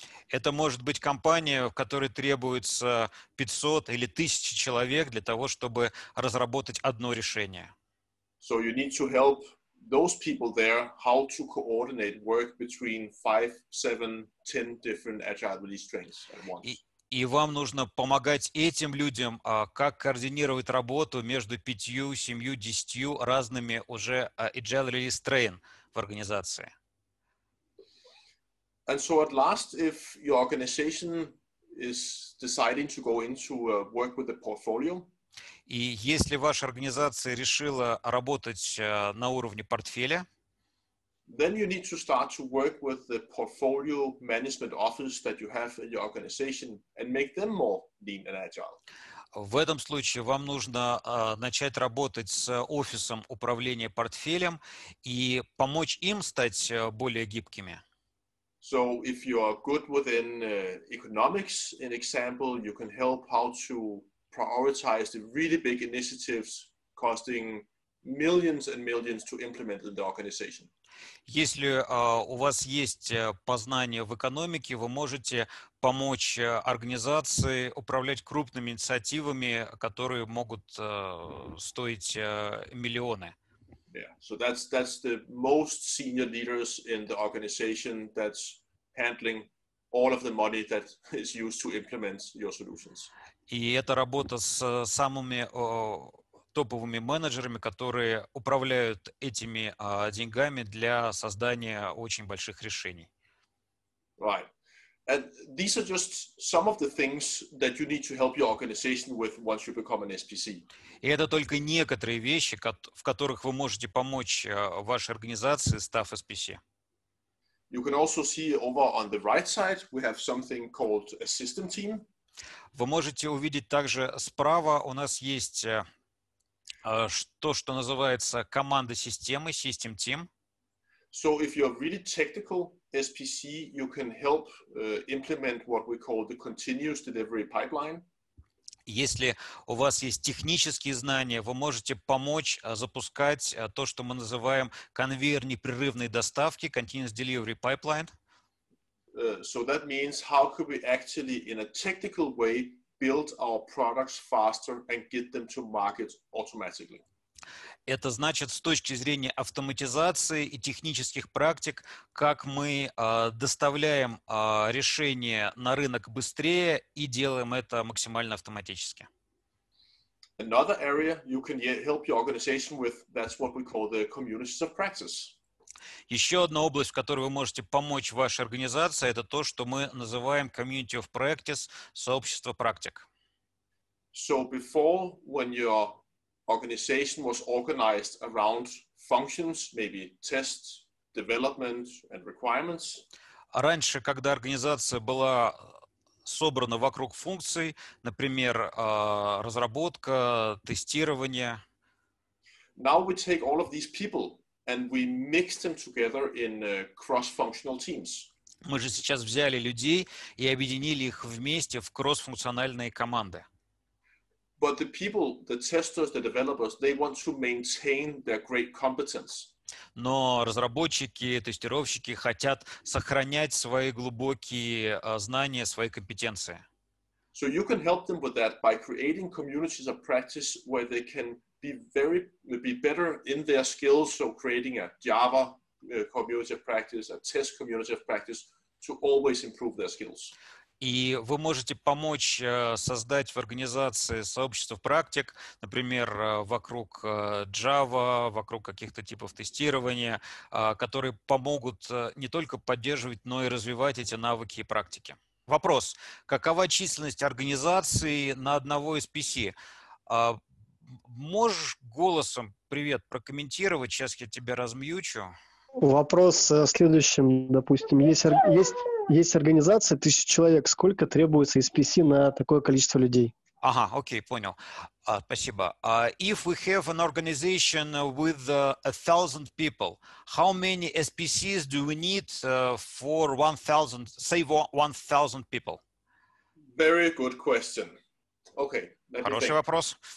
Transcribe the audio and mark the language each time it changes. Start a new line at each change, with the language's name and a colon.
Russian: Это может быть компания, в которой требуется 500 или 1000 человек для того, чтобы разработать одно решение.
English: So you need to help those people there how to coordinate work between 5, 7, 10 different agile release trains at once.
Russian: И вам нужно помогать этим людям, как координировать работу между 5, 7, 10 разными уже agile release train в организации.
English: And so at last, if your organization is deciding to go into work with a portfolio,
Russian: и если ваша организация решила работать на уровне портфеля,
English: then you need to start to work with the portfolio management office that you have in your organization and make them more lean and agile.
Russian: В этом случае вам нужно начать работать с офисом управления портфелем и помочь им стать более гибкими.
English: So if you are good within economics, an example, you can help how to prioritize the really big initiatives costing millions and millions to implement in the organization.
Russian: Если у вас есть познание в экономике, вы можете помочь организации управлять крупными инициативами, которые могут стоить миллионы.
English: Yeah, so that's the most senior leaders in the organization that's handling all of the money that is used to implement your solutions.
Russian: И это работа с самыми топовыми менеджерами, которые управляют этими деньгами для создания очень больших решений.
English: Right. And these are just some of the things that you need to help your organization with once you become an SPC.
Russian: И это только некоторые вещи, в которых вы можете помочь вашей организации, став SPC.
English: You can also see over on the right side, we have something called a system team.
Russian: Вы можете увидеть также справа у нас есть то, что называется команда системы, system team.
English: So if you're really technical SPC, you can help implement what we call the continuous delivery pipeline.
Russian: Если у вас есть технические знания, вы можете помочь запускать то, что мы называем конвейер непрерывной доставки, continuous delivery pipeline.
English: So that means how could we actually in a technical way build our products faster and get them to market automatically?
Russian: Это значит с точки зрения автоматизации и технических практик, как мы доставляем решение на рынок быстрее и делаем это максимально автоматически.
English: Another area you can help your organization with, that's what we call the communities of practice.
Russian: Еще одна область, в которой вы можете помочь вашей организации, это то, что мы называем community of practice, сообщество практик.
English: So before, when your organization was organized around functions, maybe tests, development and requirements.
Russian: Раньше, когда организация была собрана вокруг функций, например, разработка, тестирование.
English: Now we take all of these people and we mix them together in cross-functional teams.
Russian: Мы же сейчас взяли людей и объединили их вместе в кросс-функциональные команды.
English: But the people, the testers, the developers, they want to maintain their great competence.
Russian: Но разработчики, тестировщики хотят сохранять свои глубокие знания, свои компетенции.
English: So you can help them with that by creating communities of practice where they can be better in their skills, so creating a Java community of practice, a test community of practice, to always improve their skills.
Russian: И вы можете помочь создать в организации сообщество практик, например, вокруг Java, вокруг каких-то типов тестирования, которые помогут не только поддерживать, но и развивать эти навыки и практики. Вопрос. Какова численность организации на одного из PC? Можешь голосом, привет, прокомментировать? Сейчас я тебя размьючу. Вопрос следующим, допустим, есть организация 1000 человек, сколько требуется SPC на такое количество людей? Ага, окей, понял. Спасибо.
English: If we have an organization with 1000 people, how many SPCs do we need for 1000, say 1000 people? Very good question. Okay.
Russian: Хороший вопрос.